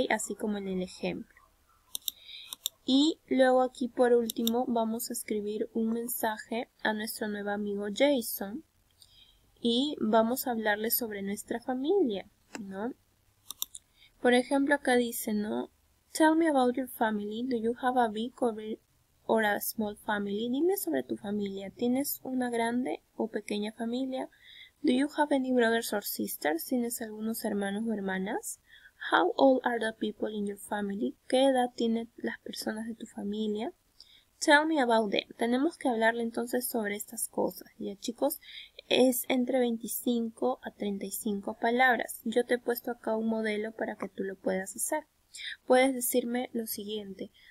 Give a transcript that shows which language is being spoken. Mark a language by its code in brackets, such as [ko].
[es] Así como en el ejemplo. Y luego aquí por último vamos a escribir un mensaje a nuestro nuevo amigo Jason y vamos a hablarle sobre nuestra familia, ¿no? Por ejemplo, acá dice, ¿no? [en] Tell me about your family. Do you have a big or a small family? [es] Dime sobre tu familia. ¿Tienes una grande o pequeña familia? [en] Do you have any brothers or sisters? [es] ¿Tienes algunos hermanos o hermanas? [en] How old are the people in your family? [es] ¿Qué edad tienen las personas de tu familia? [en] Tell me about them. [es] Tenemos que hablarle entonces sobre estas cosas. Ya, chicos, es entre 25 a 35 palabras. Yo te he puesto acá un modelo para que tú lo puedas hacer. Puedes decirme lo siguiente.